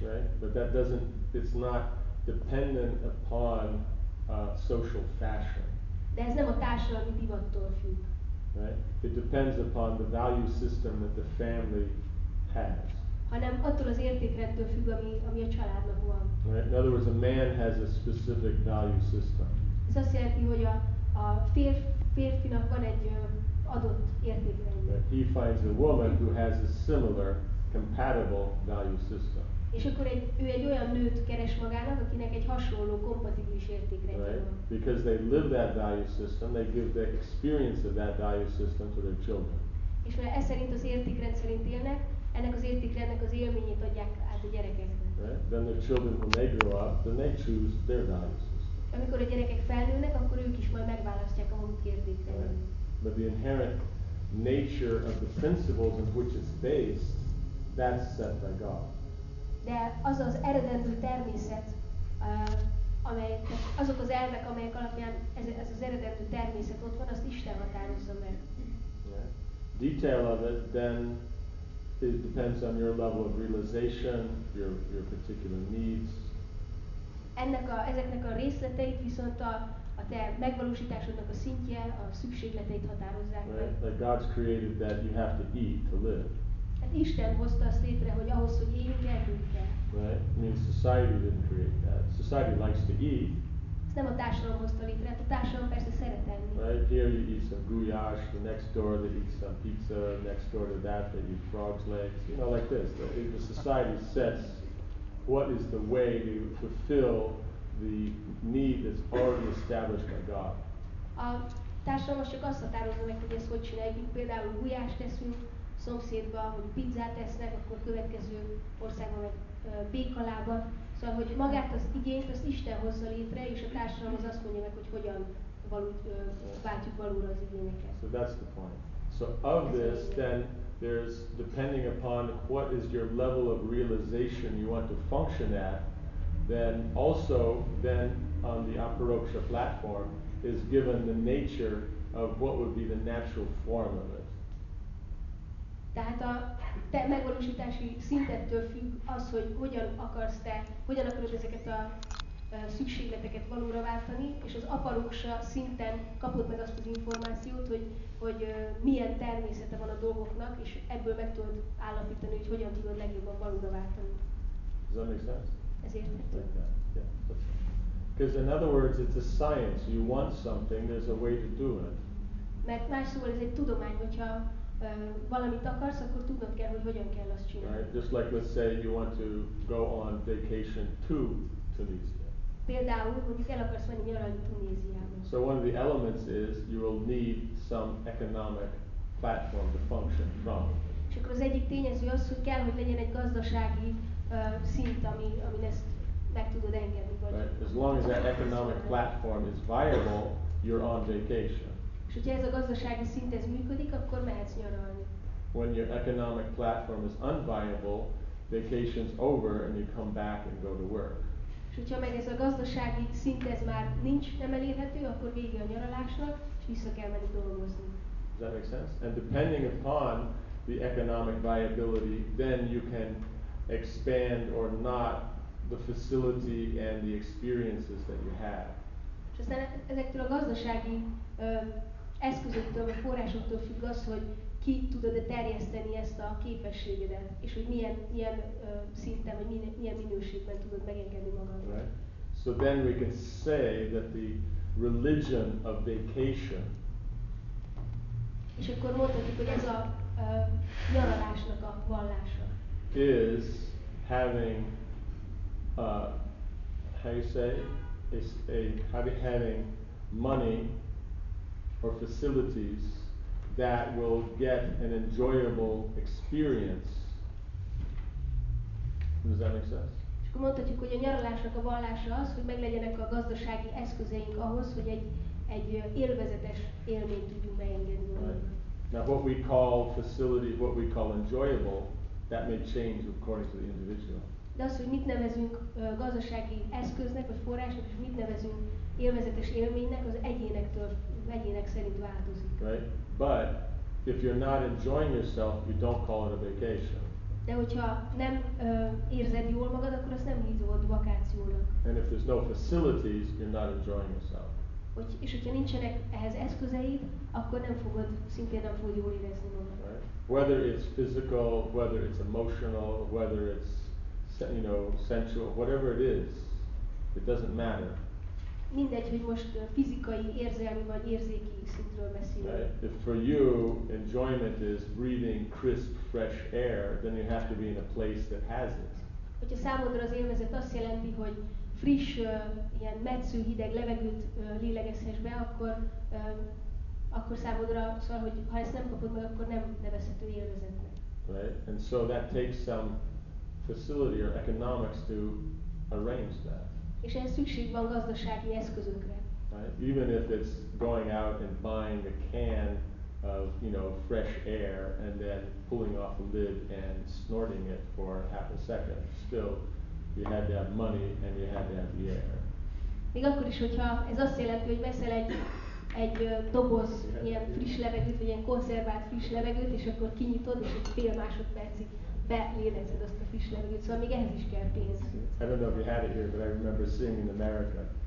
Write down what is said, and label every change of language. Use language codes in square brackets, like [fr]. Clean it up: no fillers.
[en] Right, but that doesn't, it's not dependent upon social fashion. [hu] De ez nem a társadalmi divattól függ. [en] Right, it depends upon the value system that the family has. [hu] Hanem attól az értékrendtől függ, ami a családnak van. [en] Right? In other words, a man has a specific value system. [hu] Ez azt jelenti, hogy a férfinak van egy adott értékrend. [en] He finds a woman who has a similar, compatible value system. [hu] És akkor ő egy olyan nőt keres magának, akinek egy hasonló, kompatibilis értékrendje van. [en] Right? Because they live that value system, they give the experience of that value system to their children. [hu] És mert ez szerint az értékrend szerint élnek, ennek az értékre, ennek az élményét adják át a gyerekeknek. [en] Right? Then the children, when they grow up, then they choose their values. [hu] Amikor a gyerekek felnőnek, akkor ők is majd megválasztják a maguk értékre. [en] Right? But the inherent nature of the principles on which it's based, that's set by God. [hu] De az az eredeti természet, amely, azok az elvek, amelyek alapján ez, ez az eredeti természet ott van, azt Isten határozza meg. [en] Yeah. Detail of it, then it depends on your level of realization, your particular needs. [hu] Ennek a, ezeknek a részleteit viszont a te megvalósításodnak a szintje, a szükségleteit határozzák meg. [en] Right. Like God's created that you have to eat to live. [hu] Hát Isten hozta azt létre, hogy ahhoz, hogy éljünk, eljünk kell. [en] Right? I mean, society didn't create that. Society likes to eat. [hu] Ezt nem a társadalom hozta létre, a társadalom persze szeret enni. [en] Right? Here you eat some goulash, the next door they eat some pizza, next door to that they eat frog's legs. You know, like this. The society sets what is the way to fulfill the need that's already established by God. [hu] A társadalom csak azt határozza meg, hogy ezt hogy csináljuk. Például goulash teszünk, szomszédban, hogy pizzát esznek, akkor következő országban meg békalába. Szóval, hogy magát az igényt, azt Isten hozza létre, és a társadalom az azt mondja meg, hogy hogyan váltjuk valóra az igényeket. [en] So that's the point. So of this, then, there's, depending upon what is your level of realization you want to function at, then also, then, on the Aparoksha platform, is given the nature of what would be the natural form of it. [hu] Tehát a te megvalósítási szintettől függ az, hogy hogyan akarsz te, hogyan akarod ezeket a szükségleteket valóra váltani, és az aparoksa szinten kapod meg azt az információt, hogy, hogy milyen természete van a dolgoknak, és ebből meg tudod állapítani, hogy hogyan tudod legjobban valóra váltani. [en] Does that make sense? [hu] Ez értető. [en] Like that. Yeah. Because in other words, it's a science. You want something, there's a way to do it. [hu] Mert más szóval ez egy tudomány, hogyha valamit akarsz, akkor tudnod kell, hogy hogyan kell azt csinálni. [en] Right? Just like let's say you want to go on vacation to Tunisia. [hu] Például, hogy el akarsz menni nyaralni Tunéziába. [en] So one of the elements is you will need some economic platform to function from. [hu] És akkor az egyik tényező az, hogy kell, hogy legyen egy gazdasági szint, ami, ami ezt meg tudod engedni. Vagy [en] right? As long as that economic platform is viable, you're on vacation. [hu] És hogyha ez a gazdasági szint ez működik, akkor mehetsz nyaralni. [en] When your economic platform is unviable, vacation's over and you come back and go to work. [hu] És hogyha meg ez a gazdasági szint ez már nincs, nem elérhető, akkor vége a nyaralásnak, és vissza kell menni dolgozni. [en] Does that make sense? And depending upon the economic viability, then you can expand or not the facility and the experiences that you have. [hu] És aztán ezektől a gazdasági eszközöktől, vagy forrásoktól függ az, hogy ki tudod-e terjeszteni ezt a képességedet, és hogy milyen, milyen szinten, vagy milyen, milyen minőségben tudod megengedni magad. [en] Right. So then we can say that the religion of vacation. [hu] És akkor mondhatjuk, hogy ez a nyaralásnak a vallása. [en] Is having a, how you say, is a, having money or facilities that will get an enjoyable experience. Does that make sense? [hu] És akkor mondhatjuk, hogy a nyaralásnak a vallása az, hogy meglegyenek a gazdasági eszközeink ahhoz, hogy egy, egy élvezetes élményt tudjunk beengedni. [en] Right. Now what we call facility, what we call enjoyable, that may change according to the individual. [hu] De az, hogy mit nevezünk gazdasági eszköznek, vagy forrásnak, és mit nevezünk élvezetes élménynek, az egyénektől, egyének szerint változik. [en] Right? But if you're not enjoying yourself, you don't call it a vacation. [hu] De hogyha nem érzed jól magad, akkor azt nem hívod vakációnak. [en] And if there's no facilities, you're not enjoying yourself. [hu] Hogy, és hogyha nincsenek ehhez eszközeid, akkor nem fogod, szintén nem fogod jól érezni magad. [en] Right? Whether it's physical, whether it's emotional, whether it's you know, sensual, whatever it is, it doesn't matter. [hu] Mindegy, hogy most fizikai, érzelmi vagy érzéki szintről beszélünk. [en] Right. If for you enjoyment is breathing crisp, fresh air, then you have to be in a place that has it. [hu] Hogyha számodra az élvezet azt jelenti, hogy friss, ilyen metsző, hideg levegőt lélegezhess be, akkor akkor számodra, szóval, hogy ha ezt nem kapod meg, akkor nem nevezhető élvezetnek. [en] Right. right? And so that takes some facility or economics to arrange that. [hu] És ehhez szükség van gazdasági eszközökre. [en] Right? Even if it's going out and buying a can of, you know, fresh air and then pulling off a lid and snorting it for half a second, still you had to have money and you had to have the air. [hu] Még akkor is, hogyha ez azt jelenti, hogy veszel egy doboz ilyen friss levegőt, vagy ilyen konzervált friss levegőt, és akkor kinyitod, és egy fél másodpercig belélegzed azt a friss levegőt. Szóval még ehhez is kell pénz. [en] I don't know if you had it here, but I remember seeing in America.